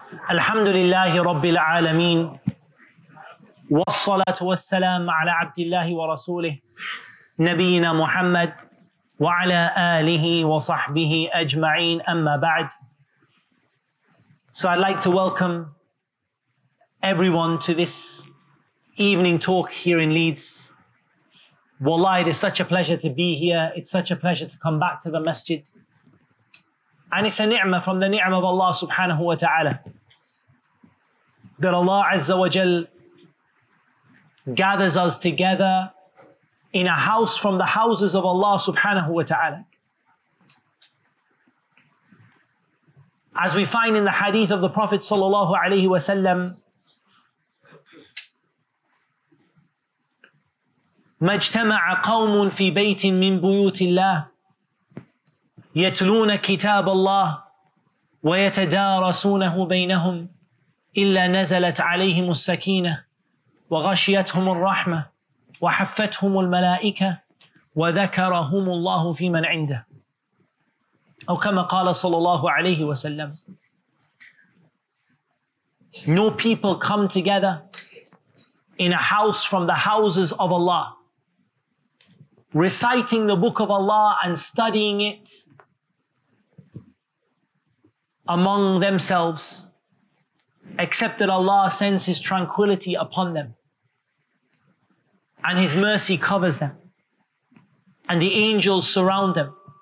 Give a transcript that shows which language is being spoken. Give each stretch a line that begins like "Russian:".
Arabic: الحمد لله رب العالمين والصلاة والسلام على عبد الله ورسوله نبينا محمد وعلى آله وصحبه أجمعين أما بعد.
English: So I'd like to welcome everyone to this evening talk here in Leeds. Wallah, it is such a pleasure to be here. It's such a pleasure to come back to the masjid. And it's a ni'mah from the ni'mah of Allah subhanahu wa ta'ala that Allah azza wa jal gathers us together in a house from the houses of Allah subhanahu wa ta'ala. As we find in the hadith of the Prophet sallallahu alayhi wa sallam,
Arabic: مَجْتَمَعَ قَوْمٌ فِي بَيْتٍ مِّن بُيُوتِ اللَّهِ يَتْلُونَ كِتَابَ اللَّهِ وَيَتَدَارَسُونَهُ بَيْنَهُمْ إِلَّا نَزَلَتْ عَلَيْهِمُ السَّكِينَةِ وَغَشِيَتْهُمُ الرَّحْمَةِ وَحَفَّتْهُمُ الْمَلَائِكَةِ وَذَكَرَهُمُ اللَّهُ فِي مَنْ عِنْدَهِ أو كما قال صلى الله عليه وسلم.
English: No people come together in a house from the houses of Allah, reciting the book of Allah and studying it among themselves, except that Allah sends His tranquility upon them and His mercy covers them and the angels surround them.